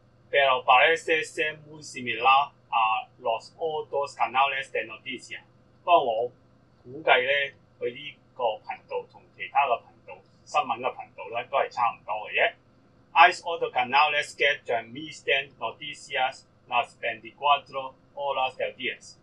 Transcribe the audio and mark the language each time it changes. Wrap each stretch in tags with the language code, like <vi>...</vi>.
<es>Pero parece ser muy similar a los otros canales de noticias。</es> <yue>不過我估計咧，佢呢個頻道同其他嘅頻道、新聞嘅頻道咧，都係差唔多嘅啫。</yue> <es>Hay otros canales que transmiten noticias las 24 horas del día。</es>